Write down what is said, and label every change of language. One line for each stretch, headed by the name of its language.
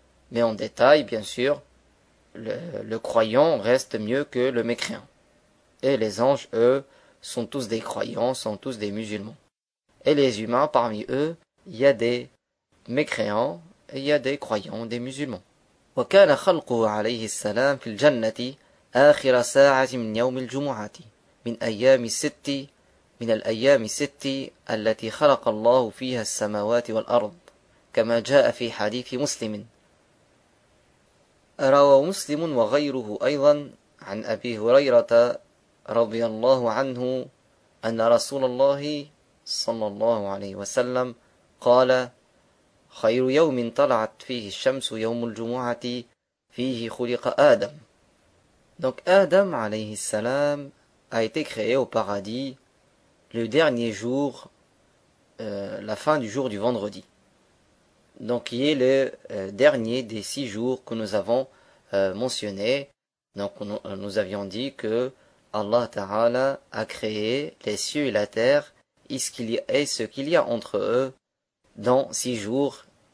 French: Mais en détail, bien sûr, le croyant reste mieux que le mécréant. Et les anges, eux, sont tous des croyants, sont tous des musulmans. Et les humains, parmi eux, il y a des mécréants, et il y a des croyants, des musulmans.
Arabic: « Wa kana khalquhu alayhi salam fil jannati akhir sa'ati min yawm al jumu'ati min ayyam sitti » من الأيام الست التي خلق الله فيها السماوات والأرض كما جاء في حديث مسلم روى مسلم وغيره أيضا عن أبي هريرة رضي الله عنه أن رسول الله صلى الله عليه وسلم قال خير يوم طلعت فيه الشمس يوم الجمعة فيه خلق آدم.
French: Donc آدم عليه السلام a été créé au paradis le dernier jour, la fin du jour du vendredi. Donc, qui est le dernier des six jours que nous avons mentionnés. Donc, nous avions dit que Allah Ta'ala a créé les cieux et la terre et ce qu'il y a entre eux dans six jours.